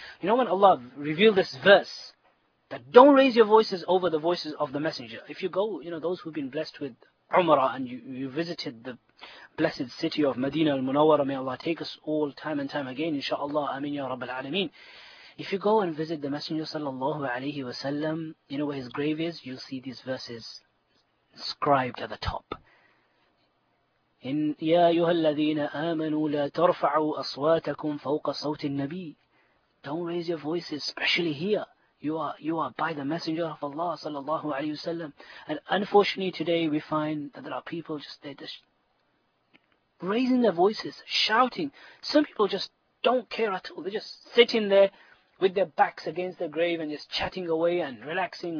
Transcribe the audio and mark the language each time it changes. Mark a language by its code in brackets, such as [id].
[en] You know, when Allah revealed this verse that don't raise your voices over the voices of the messenger, if you go, you know, those who've been blessed with Umrah and you visited the blessed city of Medina al-Munawwara, may Allah take us all time and time again, inshaAllah, Ameen ya Rabbil Alameen. If you go and visit the messenger sallallahu alayhi wa sallam, you know where his grave is, you'll see these verses inscribed at the top. [ar] إن يا أيها الذين آمنوا لا ترفعوا أصواتكم فوق صوت النبي. [en] Don't raise your voices, especially here. You are by the messenger of Allah [ar] صلى الله عليه وسلم. [en] And unfortunately today we find that there are people just raising their voices, shouting. Some people just don't care at all. They're just sitting there with their backs against the grave and just chatting away and relaxing.